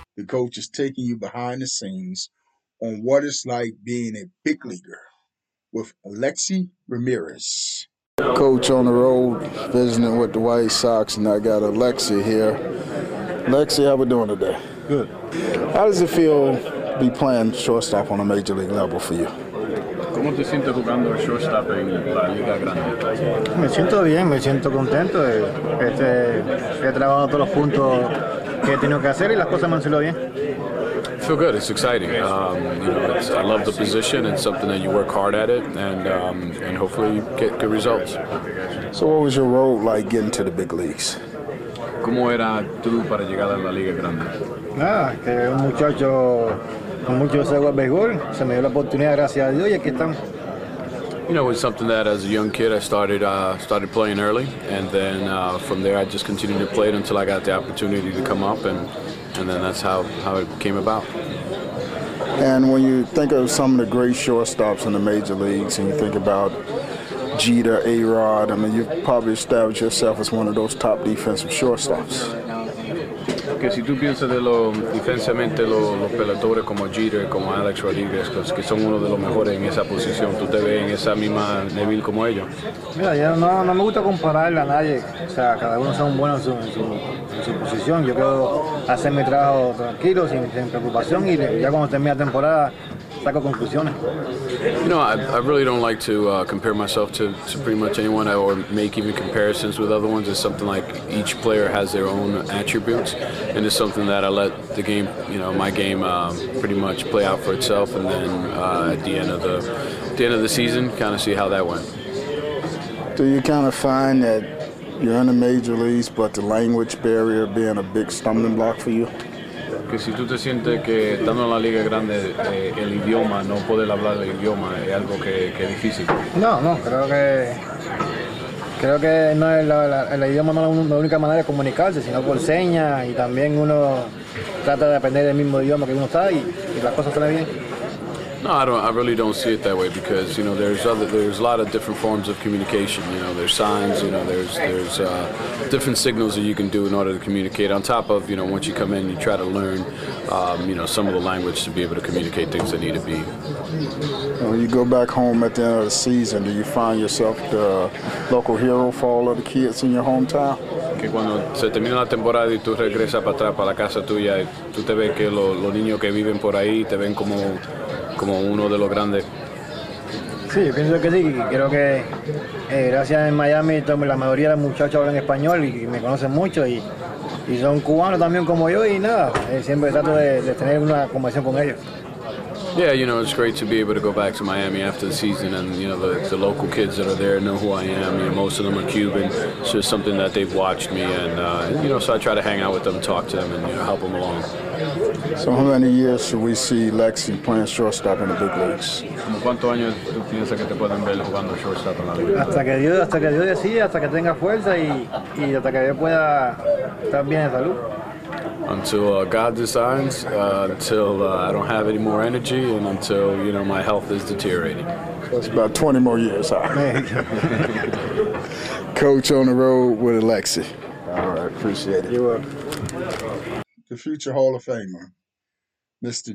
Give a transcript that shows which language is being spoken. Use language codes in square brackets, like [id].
[en] The coach is taking you behind the scenes on what it's like being a big leaguer with Alexi Ramirez. Coach on the road visiting with the White Sox, and I got Alexi here. Alexi, how we doing today? Good. How does it feel to be playing shortstop on a Major League level for you? [es] ¿Cómo te sientes jugando el shortstop en la Liga Grande? Me siento bien, me siento contento. He trabajado todos los puntos que he tenido que hacer y las cosas me han salido bien. [en] I feel good. It's exciting. I love the position. It's something that you work hard at it, and hopefully you get good results. So what was your role like getting to the big leagues? [es] ¿Cómo era tú para llegar a la Liga Grande? Que un muchacho... [en] You know, it was something that as a young kid I started playing early, and then from there I just continued to play it until I got the opportunity to come up, and then that's how it came about. And when you think of some of the great shortstops in the major leagues, and you think about Jeter, A-Rod, I mean, you've probably established yourself as one of those top defensive shortstops. [es] Que si tú piensas de los defensivamente los peloteros como Jeter, como Alex Rodriguez, que son uno de los mejores en esa posición, tú te ves en esa misma nivel como ellos. Mira, ya no me gusta compararle a nadie, o sea, cada uno son buenos en su posición. Yo quiero hacer mi trabajo tranquilo, sin preocupación, y ya cuando termine la temporada, saco conclusiones. [en] You know, I really don't like to compare myself to pretty much anyone or make even comparisons with other ones. It's something like each player has their own attributes, and it's something that I let the game, you know, my game pretty much play out for itself, and then at the end of the season, kind of see how that went. Do you kind of find that you're in the major leagues, but the language barrier being a big stumbling block for you? [es] Que si tú te sientes que estando en la liga grande, el idioma, no poder hablar el idioma, es algo que es difícil. No, creo que no es el idioma no es la única manera de comunicarse, sino por señas, y también uno trata de aprender el mismo idioma que uno está y las cosas salen bien. [en] No, I really don't see it that way, because you know there's a lot of different forms of communication. You know, there's signs. You know, there's different signals that you can do in order to communicate. On top of, you know, once you come in, you try to learn you know, some of the language to be able to communicate things that need to be. When you go back home at the end of the season, do you find yourself the local hero for all of the kids in your hometown? [es] Que cuando se termina la temporada y tú regresas para atrás para la casa tuya, tú te ves que los niños que viven por ahí te ven como uno de los grandes. Sí, yo pienso que sí. Creo que gracias en Miami, la mayoría de los muchachos hablan español y me conocen mucho y son cubanos también como yo, y nada, siempre trato de tener una conversación con ellos. [en] Yeah, you know, it's great to be able to go back to Miami after the season, and you know, the local kids that are there know who I am. You know, most of them are Cuban, so it's something that they've watched me, and you know, so I try to hang out with them, talk to them, and you know, help them along. So how many years should we see Lexi playing shortstop in the big leagues? [es] ¿Cómo cuántos años tú piensas que te pueden ver jugando shortstop en la liga? Hasta que Dios decida, hasta que tenga fuerza y hasta que yo pueda estar bien de salud. [en] Until God decides, until I don't have any more energy, and until, you know, my health is deteriorating. That's about 20 more years, huh? Coach on the road with Alexi. All right, appreciate it. You're welcome. The future Hall of Famer, Mr.